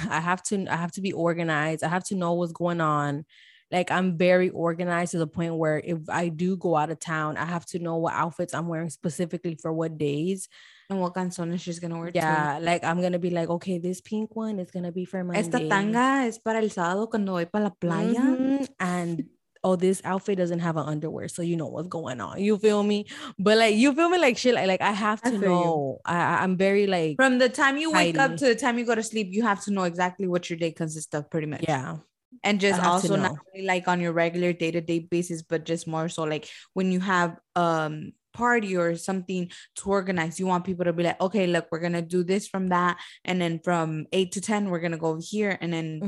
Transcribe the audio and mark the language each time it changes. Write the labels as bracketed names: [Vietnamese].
[English] I have to be organized. I have to know what's going on. Like, I'm very organized to the point where if I do go out of town, I have to know what outfits I'm wearing specifically for what days. And what canciones she's going to wear, yeah, too. Yeah, like, I'm going to be like, okay, this pink one is going to be for Monday. [Spanish] Esta tanga es para el sábado cuando voy para la playa. Mm-hmm. [English] And, oh, this outfit doesn't have an underwear, so you know what's going on. You feel me? But, like, you feel me? Like, shit, like, I have to know. I'm very, like, from the time you wake up to the time you go to sleep, you have to know exactly what your day consists of, pretty much. Yeah. And just also not really like on your regular day-to-day basis, but just more so like when you have party or something to organize, you want people to be like, okay, look, we're gonna do this from that, and then from 8 to 10 we're gonna go here, and then mm-hmm.